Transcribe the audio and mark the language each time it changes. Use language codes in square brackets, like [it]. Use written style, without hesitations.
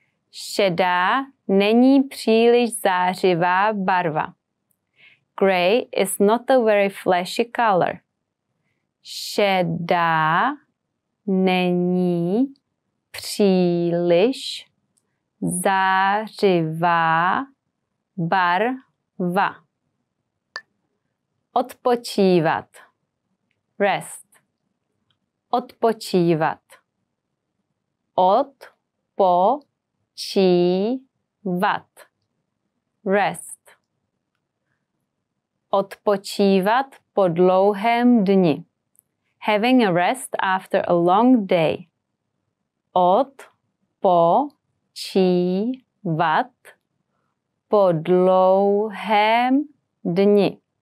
[cs] Šedá není příliš zářivá barva. [en] Gray is not a very flashy color. [cs] Šedá není příliš zářivá barva. Odpočívat. Rest. Odpočívat. Odpočívat. Rest. Odpočívat po dlouhém dni. [en] having a rest after a long day. [cs] Odpočívat po dlouhém dni.